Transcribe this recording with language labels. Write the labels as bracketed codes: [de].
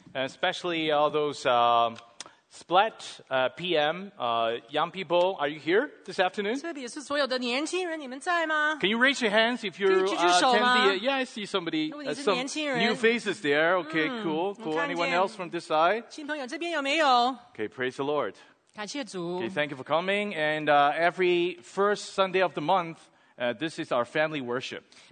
[en] Especially all those Splat PM young people, are you here this afternoon? [zh] 特别是所有的年轻人，你们在吗？ [en] Can you raise your hands if you're attendee? Yeah, I see somebody. Some new faces there. Okay, cool. Anyone else from this side? [zh] 新朋友这边有没有？ [en] Okay, praise the Lord. [zh] 感谢主. [en] Okay, thank you for coming. And every first Sunday of the month, this is our family worship.